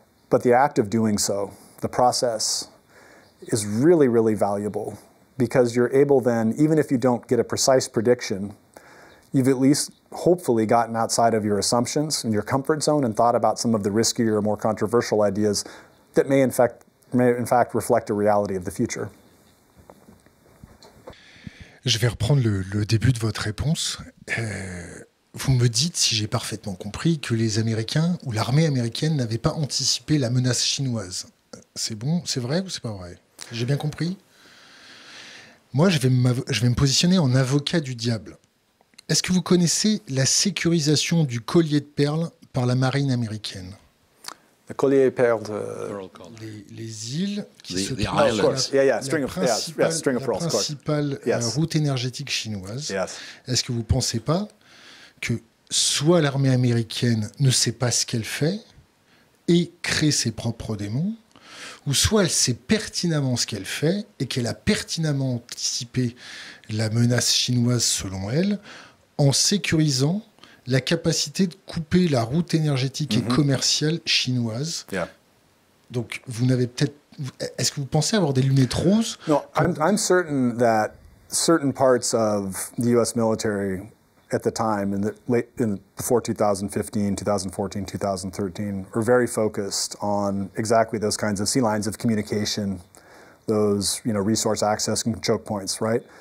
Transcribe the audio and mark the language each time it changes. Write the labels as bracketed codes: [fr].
[en] But the act of doing so, the process, is really, really valuable because you're able then, even if you don't get a precise prediction, you've at least hopefully gotten outside of your assumptions and your comfort zone and thought about some of the riskier, more controversial ideas that may in fact reflect a reality of the future. [fr] Je vais reprendre le début de votre réponse. Vous me dites, si j'ai parfaitement compris, que les Américains ou l'armée américaine n'avaient pas anticipé la menace chinoise. C'est bon, c'est vrai ou c'est pas vrai? J'ai bien compris? Moi, je vais me positionner en avocat du diable. Est-ce que vous connaissez la sécurisation du collier de perles par la marine américaine? [en] The collier of pearls. [fr] Les îles qui [en] the, [fr] se [en] the [fr] trouvent la principale route énergétique chinoise. [en] Yes. [fr] Est-ce que vous ne pensez pas que soit l'armée américaine ne sait pas ce qu'elle fait et crée ses propres démons, ou soit elle sait pertinemment ce qu'elle fait et qu'elle a pertinemment anticipé la menace chinoise selon elle en sécurisant la capacité de couper la route énergétique et commerciale chinoise. [en] Yeah. [fr] Donc, vous n'avez peut-être... Est-ce que vous pensez avoir des lunettes roses? [en] No, I'm certain that certain parts of the U.S. military at the time, before 2015, 2014, 2013, were very focused on exactly those kinds of sea lines of communication, those, you know, resource access and choke points, right?